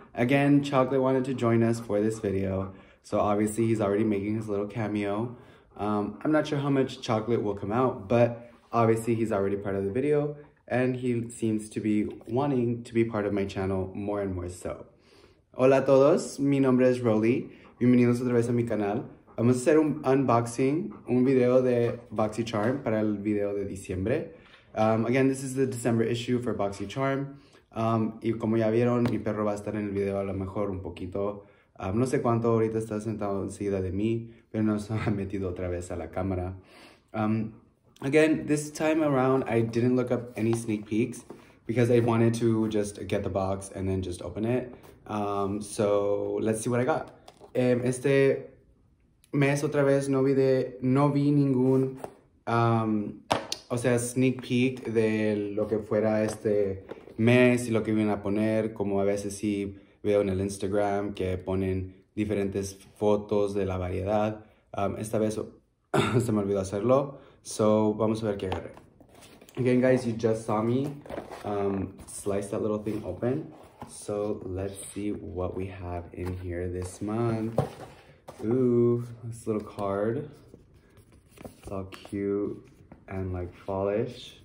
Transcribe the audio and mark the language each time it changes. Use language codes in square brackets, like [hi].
[en] Again, Chocolate wanted to join us for this video. So obviously he's already making his little cameo. I'm not sure how much Chocolate will come out, but obviously he's already part of the video and he seems to be wanting to be part of my channel more and more so. [es] Hola a todos, mi nombre es Rolly. Bienvenidos otra vez a mi canal. Vamos a hacer un unboxing, un video de boxycharm para el video de diciembre. [en] Again, this is the December issue for boxycharm. [es] Y como ya vieron, mi perro va a estar en el video a lo mejor un poquito. No sé cuánto ahorita está sentado enseguida de mí, pero nos ha metido otra vez a la cámara. [en] Again, this time around, I didn't look up any sneak peeks because I wanted to just get the box and then just open it. So let's see what I got. [es] Este mes otra vez no vi ningún, sneak peek de lo que fuera este mes y lo que iban a poner, como a veces sí veo en el Instagram que ponen diferentes fotos de la variedad. Esta vez se me olvidó hacerlo, so vamos a ver qué agarré. [en] Again guys, you just saw me slice that little thing open, so let's see what we have in here this month. Ooh, this little card. It's all cute and like fallish.